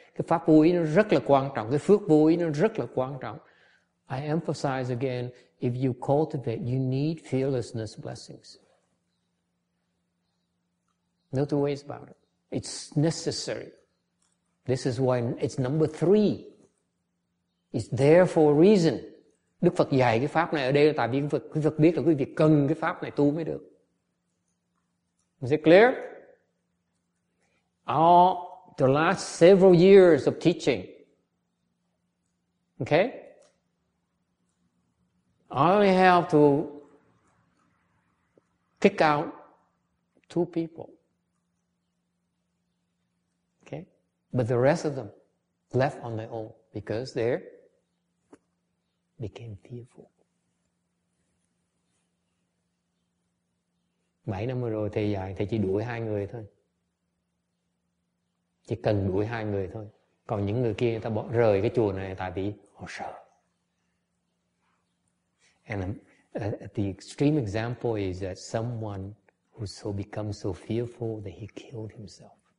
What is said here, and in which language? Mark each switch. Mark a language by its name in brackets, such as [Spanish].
[Vietnamese] Cái pháp vô ý nó rất là quan trọng. Cái phước vô ý nó rất là quan trọng. [English] I emphasize again, if you cultivate, you need fearlessness blessings. No two ways about it. It's necessary. This is why it's number three. It's there for a reason. [Vietnamese] Đức Phật dạy cái pháp này ở đây là tại vì Phật biết là quý vị cần cái pháp này tu mới được. [English] Is it clear? All the last several years of teaching. Okay? All I have to kick out two people. But the rest of them left on their own because they became fearful. [Vietnamese] 7 năm rồi thầy dạy, thầy chỉ đuổi 2 người thôi. Chỉ cần đuổi hai người thôi. Còn những người kia người ta bỏ rời cái chùa này tại vì họ sợ. [English] And the extreme example is that someone who so becomes so fearful that he killed himself.